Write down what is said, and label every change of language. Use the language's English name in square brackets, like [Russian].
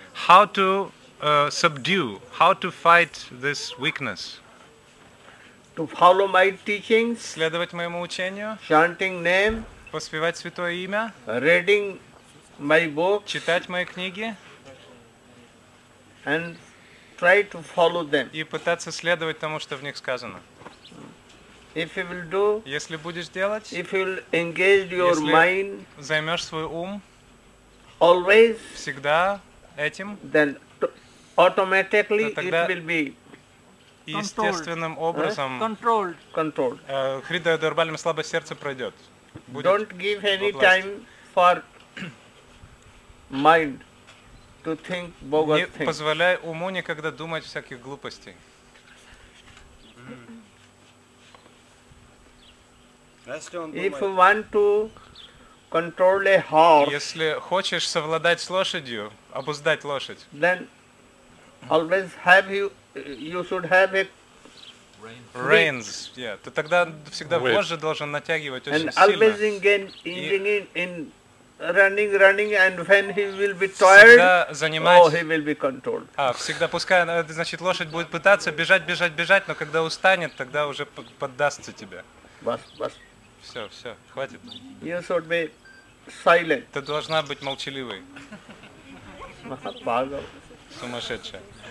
[English] How to subdue, how to fight this weakness? To follow my teachings. [Russian] Следовать моему учению. [English] Chanting name. [Russian] Поспевать святое имя. [English] Reading my book. [Russian] Читать мои книги. [English] And try to follow them. [Russian] И пытаться следовать тому, что в них сказано. [English] If you will do, [Russian] если будешь делать, [English] if you will engage your [Russian] если [English] mind, [Russian] займешь свой ум, [English] always, [Russian] всегда этим, [English] then automatically [Russian] тогда [English] it will be [Russian] естественным образом [English] controlled. Controlled. [Russian] Хрида Дурбалим, слабое сердце пройдет. [English] Don't give any time for mind to think bogus things. [Russian] Не позволяй уму никогда думать всяких глупостей. [English] If you want to control a horse, [Russian] если хочешь совладать с лошадью, обуздать лошадь, [English] then always have you should have a Reins. Yeah. [Russian] Ты тогда всегда позже должен натягивать очень [English] and [Russian] сильно. [English] And always in running, and when he will be tired, he will be controlled. [Russian] А, всегда, пускай, значит, лошадь будет пытаться бежать, но когда устанет, тогда уже поддастся тебе. Бас. Все, хватит. [English] You should be silent. [Russian] Ты должна быть молчаливой. Пагал. Сумасшедшая.